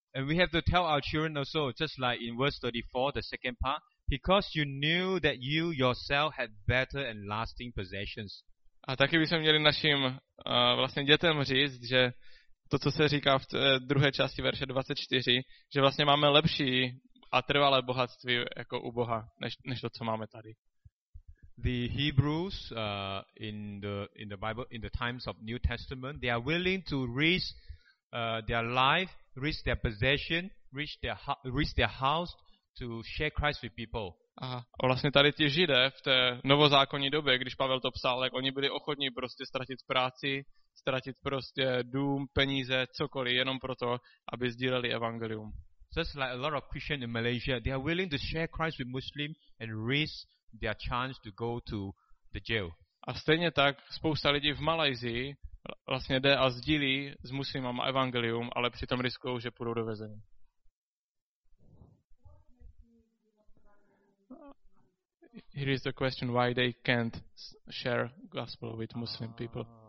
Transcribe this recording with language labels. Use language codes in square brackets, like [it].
[en] And we have to tell our children also, just like in verse 34, the second part, because you knew that you yourself had better and lasting possessions. [cs] A taky bychom měli našim vlastně dětem říct, že to, co se říká v druhé části verše 24, že vlastně máme lepší a trvalé bohatství jako u Boha, než to, co máme tady. [en] The Hebrews in the Bible in the times of New Testament, they are willing to risk their life, risk their possession, risk their house to share Christ with people. [cs] A vlastně tady ti Židé v té novozákonní době, když Pavel to psal, tak oni byli ochotní prostě ztratit práci, ztratit prostě dům, peníze, cokoliv, jenom proto, aby sdíleli evangelium. [en] Just like a lot of Christians in Malaysia, they are willing to share Christ with Muslims and risk their chance to go to the jail. [cs] A stejně tak spousta lidí v Malajzii vlastně jde a sdílí s muslimama evangelium, ale přitom riskují, že půjdou do vězení. [en] Here is the question why they can't share gospel with Muslim people.